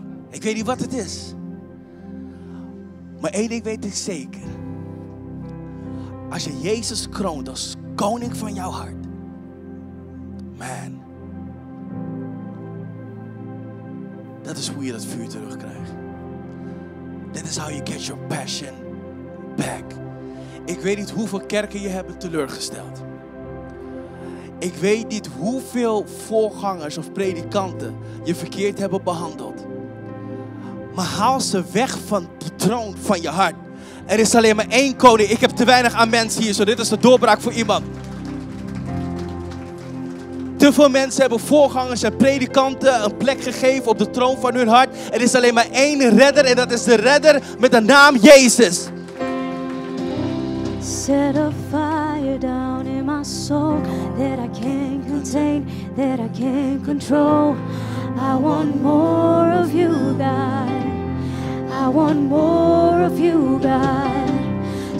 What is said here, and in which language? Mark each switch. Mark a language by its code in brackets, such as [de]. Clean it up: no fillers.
[nl] Ik weet niet wat het is. Maar één ding weet ik zeker. Als je Jezus kroont als koning van jouw hart. Man. Dat is hoe je dat vuur terugkrijgt. [en] That is how you get your passion back. [nl] Ik weet niet hoeveel kerken je hebben teleurgesteld. Ik weet niet hoeveel voorgangers of predikanten je verkeerd hebben behandeld. Maar haal ze weg van de troon van je hart. Er is alleen maar één koning. Ik heb te weinig aan mensen hier. Zo, dit is de doorbraak voor iemand. Te veel mensen hebben voorgangers en predikanten een plek gegeven op de troon van hun hart. Er is alleen maar één redder en dat is de redder met de naam Jezus. [en] Set a fire down in my soul that I can't contain, that I can't control. I want more of you, God. I want more of you, God.